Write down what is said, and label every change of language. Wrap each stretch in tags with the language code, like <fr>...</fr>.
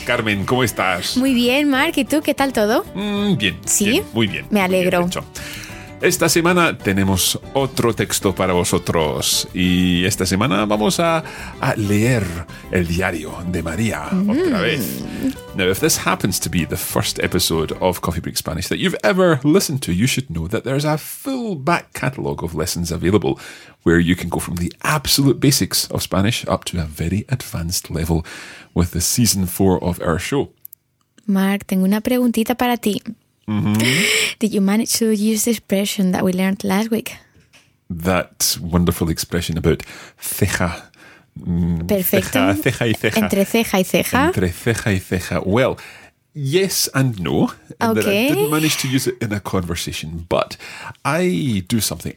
<es>Carmen, ¿cómo estás? Muy bien, Mark, ¿y tú? ¿Qué tal todo? Bien. ¿Sí? Bien, muy bien. Me alegro. Bien, esta semana tenemos otro texto para vosotros y esta semana vamos a leer el diario de María otra vez.</es> <en>Now, if this happens to be the first episode of Coffee Break Spanish that you've ever listened to, you should know that there's a full back catalogue of lessons available where you can go from the absolute basics of Spanish up to a very advanced level with the season 4 of our show.</en> <es>Mark, tengo una preguntita para ti.</es> <en>Did you manage to use the expression that we learned last week? That wonderful expression about ceja.</en> <es>Perfecto. Ceja y ceja. Entre ceja y ceja. Entre ceja y ceja.</es> <en>Well, yes and no. Okay. That I didn't manage to use it in a conversation, but I do something.</en>